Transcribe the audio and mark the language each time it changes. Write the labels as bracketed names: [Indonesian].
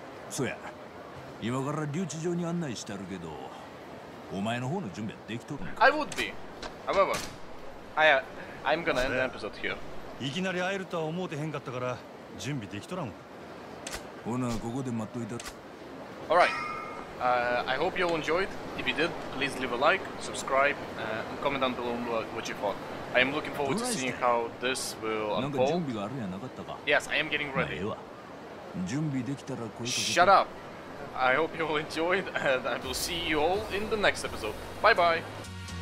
[Japanese] そうや、今から留置場に案内してあるけど、お前の方の準備はできとるのか？ [English] I would be. However, I'm gonna end the episode here. [Japanese] いきなり会えるとは思うてへんかったから、準備できとらん。ほな、ここで待っといた。 [English] Alright. I hope you all enjoyed. If you did, please leave a like, subscribe, and comment down below what you thought. I am looking forward to seeing how this will unfold. [Japanese] なんか準備があるやなかったか？ [English] Yes, I am getting ready. [Japanese] ええわ。準備できたらこういうこと。 [English] Shut up! I hope you all enjoyed and I will see you all in the next episode. Bye bye!